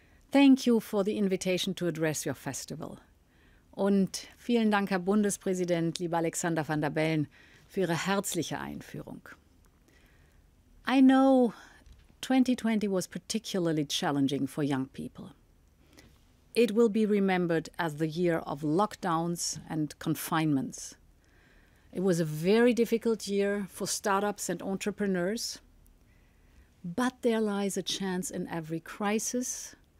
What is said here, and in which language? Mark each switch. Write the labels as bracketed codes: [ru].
[en] Thank you for the invitation to address your festival. [de] Und vielen Dank, Herr Bundespräsident, lieber Alexander van der Bellen, für Ihre herzliche Einführung. [en] I know 2020 was particularly challenging for young people. It will be remembered as the year of lockdowns and confinements. It was a very difficult year for startups and entrepreneurs, but there lies a chance in every crisis.